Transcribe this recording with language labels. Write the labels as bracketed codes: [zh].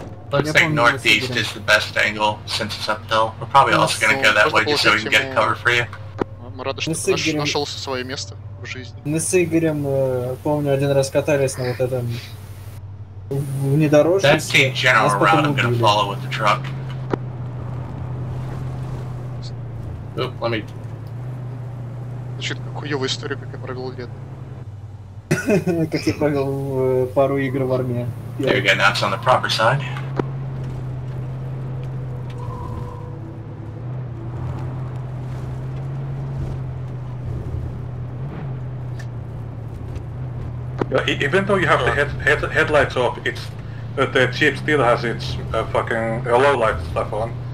[en] Looks like northeast is the best angle since it's uphill. We're probably also gonna go that way just so we can get cover for you. [ru] Мы рады, что ты нашелся свое место в жизни. Мы с Игорем, помню, один раз катались на вот этом... [en] That's the general route I'm gonna follow with the truck. Oop, let me... [ru] Значит, как хуёвая история, как я провёл лет. Как я провёл пару игр в армии. [en] There you go, now it's on the proper side. Even though you have the headlights off, it's the Jeep still has its fucking low light stuff on.